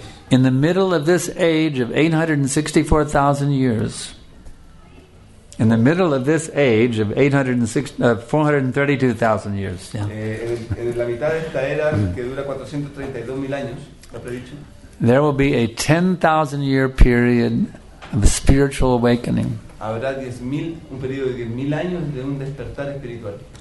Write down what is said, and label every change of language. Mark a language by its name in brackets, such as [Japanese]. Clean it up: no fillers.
[English] In the middle of this age of 864,000 years, in the middle of this age of 432,000 years. Yeah. [Spanish] En la mitad de esta era que dura 432,000 años, está predicho. [English] There will be a 10,000 year period of spiritual awakening. [Spanish] Habrá 10,000 un periodo de 10,000 años de un despertar espiritual.